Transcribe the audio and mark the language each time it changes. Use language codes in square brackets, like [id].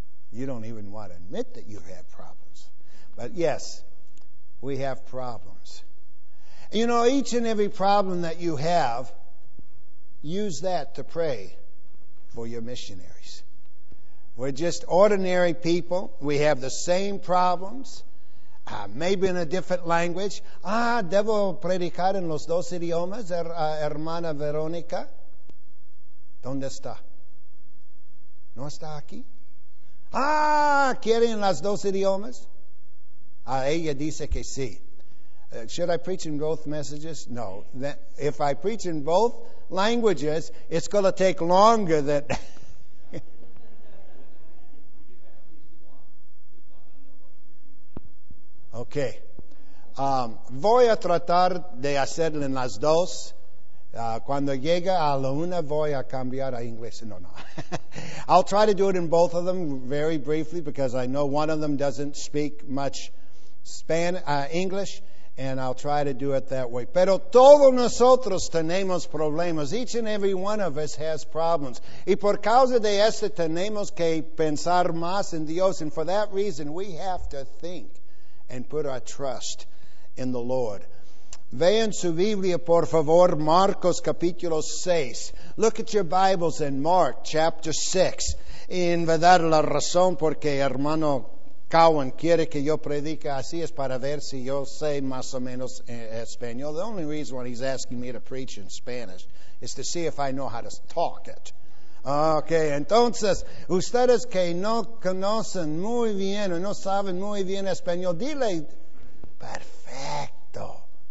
[en] You don't even want to admit that you have problems. But yes, we have problems. You know, each and every problem that you have, use that to pray for your missionaries. We're just ordinary people. We have the same problems, maybe in a different language. [es] Ah, debo predicar en los dos idiomas, hermana Verónica. ¿Dónde está? ¿No está aquí? Ah, ¿quieren las dos idiomas? Ah, ella dice que sí. [en] Should I preach in both messages? No. That, if I preach in both languages, it's going to take longer than... Okay. [es] Voy a tratar de hacerlo en las dos. Cuando llegue a la una, voy a cambiar a inglés. No, no. [en] I'll try to do it in both of them very briefly because I know one of them doesn't speak much English, and I'll try to do it that way. [es] Pero todos nosotros tenemos problemas. [en] Each and every one of us has problems. [es] Y por causa de esto tenemos que pensar más en Dios. [en] And for that reason, we have to think and put our trust in the Lord. [es] Vean su Biblia, por favor, Marcos capítulo 6. [en] Look at your Bibles in Mark chapter 6. [es] Y en verdad la razón porque hermano Cowan quiere que yo predique así es para ver si yo sé más o menos español. [en] The only reason why he's asking me to preach in Spanish is to see if I know how to talk it. [es] Okay, entonces, ustedes que no conocen muy bien o no saben muy bien español, dile, perfecto.